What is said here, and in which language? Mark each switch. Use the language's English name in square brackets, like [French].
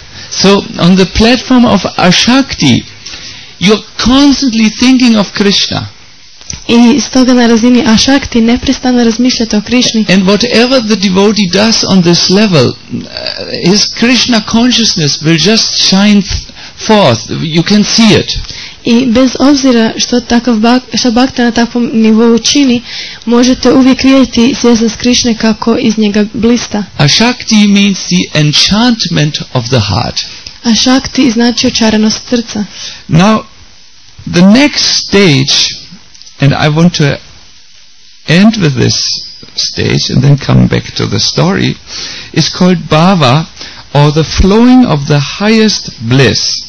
[English] So on the platform of Ashakti, you're constantly thinking of Krishna. [Croatian] I stoga na razini Ashakti neprestano razmišljate o Krishni. [English] And whatever the devotee does on this level, his Krishna consciousness will just shine forth. You can see it. [Croatian] I bez obzira što takav bhakta na takvom nivou čini, možete uvijek vidjeti svjesnost Krišne kako iz njega blista. [English] Ashakti means the enchantment of the heart. [Croatian] Ashakti znači očaranost srca. [English] Now, the next stage, and I want to end with this stage and then come back to the story, is called bhava, or the flowing of the highest bliss.